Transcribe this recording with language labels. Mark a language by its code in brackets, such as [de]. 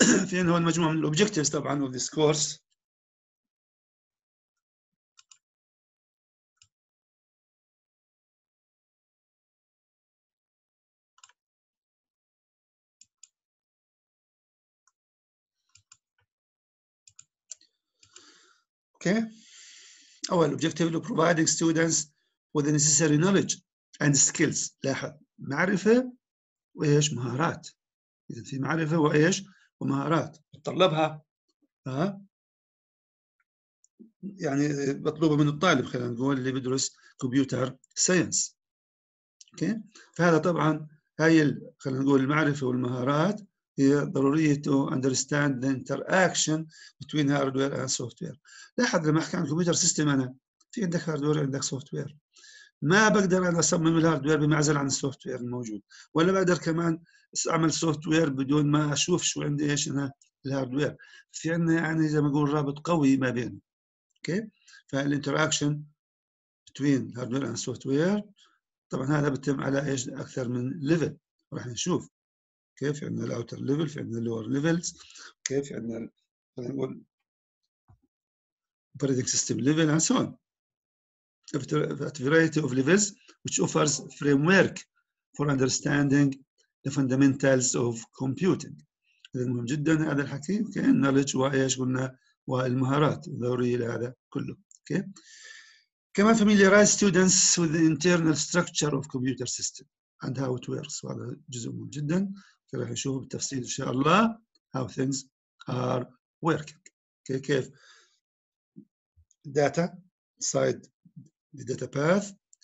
[ar] في عندنا هون مجموعه من الاوبجكتيفز طبعا [en] of this course, [ar] اوكي. [en] أول objective to providing students with the necessary knowledge and skills. [ar] لاحظ معرفة وإيش, مهارات. إذا في معرفة وإيش ومهارات بتطلبها, ها, يعني مطلوبة من الطالب خلينا نقول اللي بدرس computer science. Okay. فهذا طبعا هاي خلينا نقول المعرفة والمهارات هي ضرورية [en] to understand the interaction between hardware and software. [ar] لاحظ لما احكي عن كمبيوتر سيستم انا في عندك هاردوير عندك سوفتوير, ما بقدر انا اصمم الهاردوير بمعزل عن السوفتوير الموجود, ولا بقدر كمان اعمل سوفتوير بدون ما اشوف شو عندي ايش انا الهاردوير. في عندنا يعني زي ما اقول رابط قوي ما بين, اوكي, فالانتراكشن [en] between hardware and software [ar] طبعا هذا بتم على ايش اكثر من ليفل, راح نشوف كيف عندنا الاوتر ليفل, في عندنا اللور ليفلز, كيف عندنا خلينا نقول [en] operating system level, and so on. At a variety of levels, which offers framework for understanding the fundamentals of computing. [ar] المهم جدا هذا الحكي knowledge وايش قلنا والمهارات الضرورية لهذا كله. [en] Okay. كما familiarize students with the internal structure of computer system and how it works. [ar] وهذا جزء مهم جدا. راح نشوفه بالتفصيل إن شاء الله [en] how things are working. Okay. كيف data side the data path.